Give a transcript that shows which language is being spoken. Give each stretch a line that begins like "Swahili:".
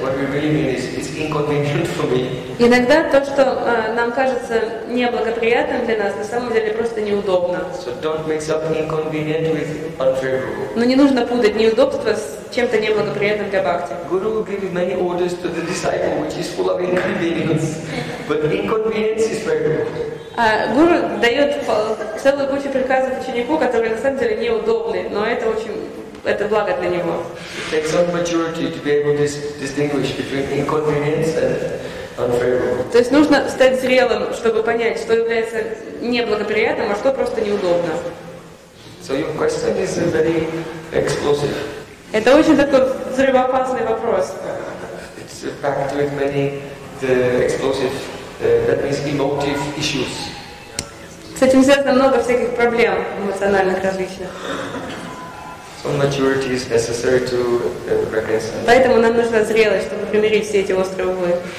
English: What we really mean is it's inconvenient for me.
Russian: Иногда то, что нам кажется неблагоприятным для нас, на самом деле просто неудобно.
English: So don't mix up inconvenient with unfavorable.
Russian: Но не нужно путать неудобство с чем-то неблагоприятным для бхакти.
English: Guru gave many orders to the disciple, which is full of inconvenience. But inconvenience is favorable.
Russian: Гуру дает целую кучу приказов ученику, которые на самом деле неудобны, но это очень, это благо для него.
English: It takes some maturity to be able to distinguish between inconvenience and unfavorable.
Russian: То есть нужно стать зрелым, чтобы понять, что является неблагоприятным, а что просто неудобно.
English: So your question is very explosive.
Russian: Это очень такой взрывоопасный вопрос.
English: It's packed with many the explosive, that means emotive issues.
Russian: С этим связано много всяких проблем эмоциональных различных.
English: So maturity is necessary to reconcile.
Russian: Поэтому нам нужна зрелость, чтобы примирить все эти острые углы.